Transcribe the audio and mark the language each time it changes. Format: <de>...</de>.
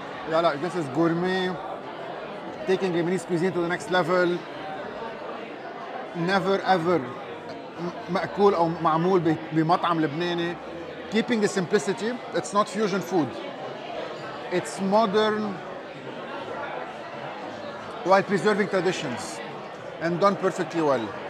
<en>Yeah, like this is gourmet. Taking Lebanese cuisine to the next level. Never ever</en> <ar>مأكول أو معمول بمطعم لبناني.</ar> <en>Keeping the simplicity. It's not fusion food. It's modern while preserving traditions and done perfectly well.</en>